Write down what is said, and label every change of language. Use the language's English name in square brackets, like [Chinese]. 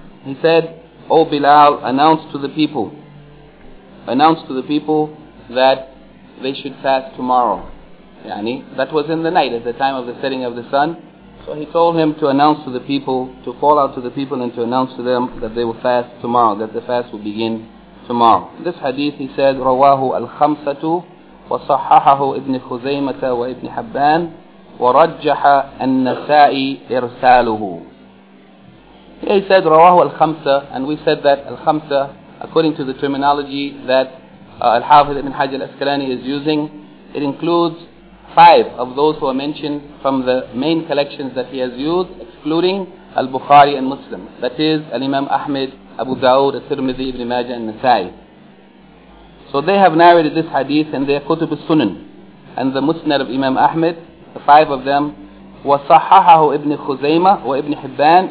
[English] He said, "O Bilal, announce to the people that they should fast tomorrow." Yani that was in the night, at the time of the setting of the sun. So he told him to announce to the people, to call out to the people and to announce to them that they will fast tomorrow, that the fast will begin tomorrow. This hadith, he said, [Arabic] رواه الخمسة وصححه ابن خزيمة وابن حبان ورجح النسائي إرساله. [English] Here he said, [Arabic] رواه الخمسة, [English] and we said that الخمسة, according to the terminology that Al-Hafiz Ibn Hajj al-Asqalani is using, it includes five of those who are mentioned from the main collections that he has used, excluding Al-Bukhari and Muslim. That is Al-Imam Ahmed, Abu Dawood, Al-Tirmidhi, Ibn Majah, and Nasa'i. So they have narrated this hadith in their Kutub al-Sunan. And the Musnad of Imam Ahmed, the five of them, [Arabic] وصححه ابن خزيمة وابن حبان.